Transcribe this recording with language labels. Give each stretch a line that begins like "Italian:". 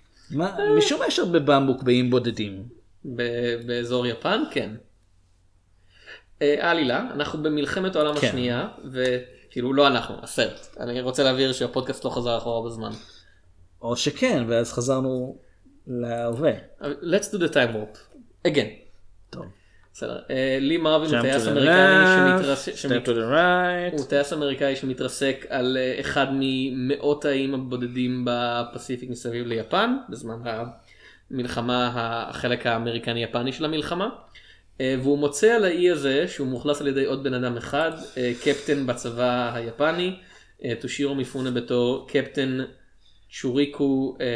Hebrew: מה, משום יש הרבה במבוק באים בודדים? באזור יפן, כן. עלילה, אנחנו במלחמת העולם השנייה, וכאילו לא אנחנו, הסרט. אני רוצה להבהיר שהפודקאסט לא חזר אחורה בזמן. או שכן, ואז חזרנו... להווה.
English: Let's do the time warp. Again.
Hebrew: טוב. לי מרווין הוא טייס אמריקאי שמתרסק, הוא טייס אמריקאי שמתרסק על אחד ממאות האיים הבודדים בפסיפיק מסביב ליפן, בזמן המלחמה, החלק האמריקני-יפני של המלחמה, והוא מוצא על האי הזה, שהוא מוכלס על ידי עוד בן אדם אחד, קפטן בצבא היפני, תושירו מפונה בתור קפטן צ'וריקו